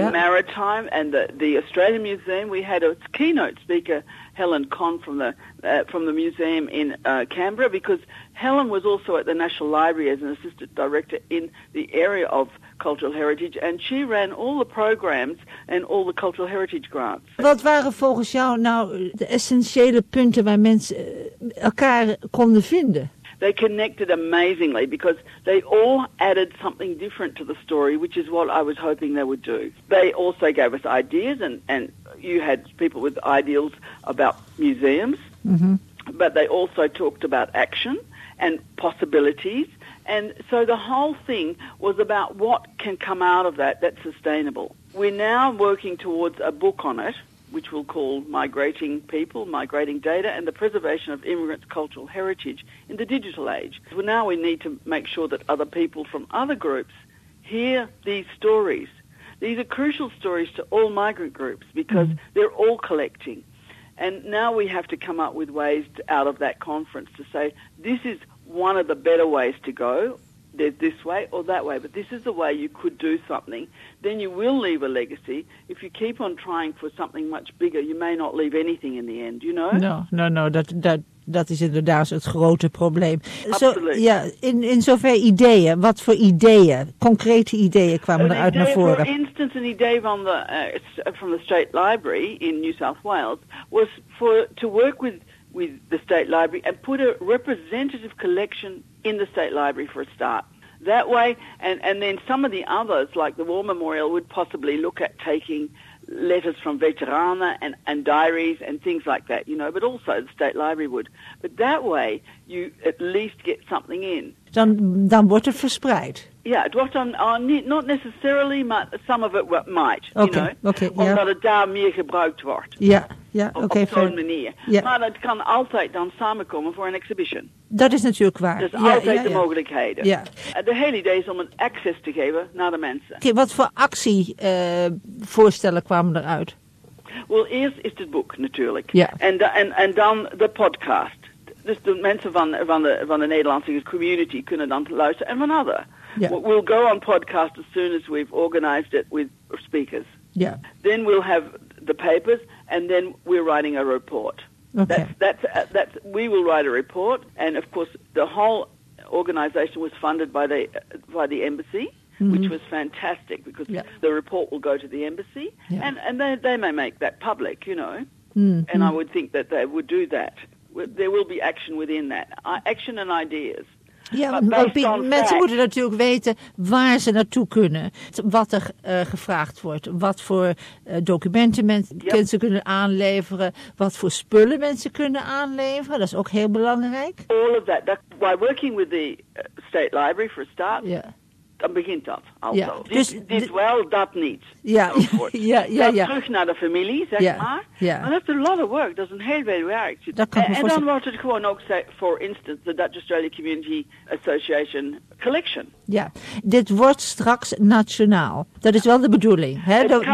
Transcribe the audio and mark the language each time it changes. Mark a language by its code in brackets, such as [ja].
[en] The Maritime and the Australian Museum. We had a keynote speaker, Helen Conn, from the museum in Canberra, because Helen was also at the National Library as an assistant director in the area of cultural heritage, and she ran all the programs and all the cultural heritage grants. [nl] Wat waren volgens jou nou de essentiële punten waar mensen elkaar konden vinden? [en] They connected amazingly because they all added something different to the story, which is what I was hoping they would do. They also gave us ideas, and you had people with ideals about museums, but they also talked about action and possibilities. And so the whole thing was about what can come out of that that's sustainable. We're now working towards a book on it, which we'll call Migrating People, Migrating Data, and the Preservation of Immigrants' Cultural Heritage in the Digital Age. So now we need to make sure that other people from other groups hear these stories. These are crucial stories to all migrant groups because they're all collecting. And now we have to come up with ways out of that conference to say, this is one of the better ways to go. There's this way or that way, but this is the way you could do something. Then you will leave a legacy. If you keep on trying for something much bigger, you may not leave anything in the end, you know? [nl] No, dat is inderdaad het grote probleem. Absoluut. In zover ideeën, wat voor ideeën, concrete ideeën kwamen eruit naar voren? [en] For instance, an idea from the State Library in New South Wales was to work with the State Library and put a representative collection in the State Library for a start. That way, and then some of the others, like the War Memorial, would possibly look at taking letters from veterana and diaries and things like that, you know, but also the State Library would. But that way, you at least get something in. [nl] Dan wordt het verspreid. [en] Yeah, it wordt on not necessarily, but some of it might, okay, you know. Okay, [nl] omdat het daar meer gebruikt wordt. [en] Okay, [nl] op zo'n manier. [en] Yeah. [nl] Maar dat kan altijd dan samenkomen voor een exhibition. Dat is natuurlijk waar. Dus altijd de mogelijkheden. [en] Yeah. [nl] De hele idee is om een access te geven naar de mensen. Okay, wat voor actie voorstellen kwamen eruit? Well, eerst is het boek natuurlijk. [en] Yeah. [nl] En dan de podcast. Dus de mensen van de Nederlandse community kunnen dan luisteren. En van anderen. [en] Yeah. We'll go on podcast as soon as we've organized it with speakers. Yeah. Then we'll have the papers, and then we're writing a report. Okay. That's we will write a report, and of course the whole organization was funded by the embassy, which was fantastic because the report will go to the embassy, and they may make that public, you know. Mm-hmm. And I would think that they would do that. There will be action within that. Action and ideas. [nl] Ja, mensen moeten natuurlijk weten waar ze naartoe kunnen. Wat er gevraagd wordt. Wat voor documenten mensen kunnen aanleveren. Wat voor spullen mensen kunnen aanleveren. Dat is ook heel belangrijk. [en] All of that. By working with the State Library for a start, [nl] dan begint dat. Dit niet. Ja. Terug naar de familie, zeg maar. Maar dat is een [en] lot of work. [nl] Dat is een heel veel werk. En dan wordt het gewoon ook, [en] for instance, [nl] de Dutch Australia Community Association collection. Ja, dit wordt straks nationaal. Dat is wel de bedoeling. Hè?